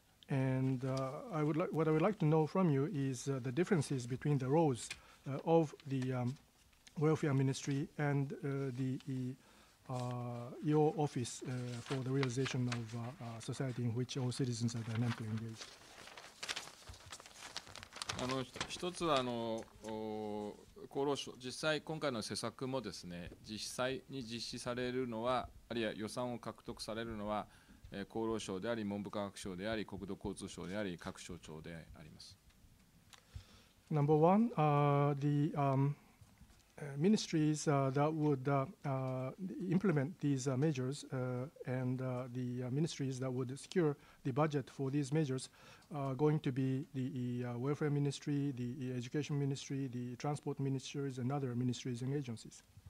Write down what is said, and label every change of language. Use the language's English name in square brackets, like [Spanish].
[English] What I would like to know from you is the differences between the roles of the welfare ministry and the your office for the realization of a society in which all citizens are dynamically engaged. [Japanese] 一つは厚労省、実際今回の施策もですね、実際に実施されるのは、あるいは予算を獲得されるのは厚労省であり文部科学省であり国土交通省であり各省庁であります。 [English] Number one, the ministries that would implement these measures and the ministries that would secure the budget for these measures are going to be the welfare ministry, the education ministry, the transport ministries and other ministries and agencies.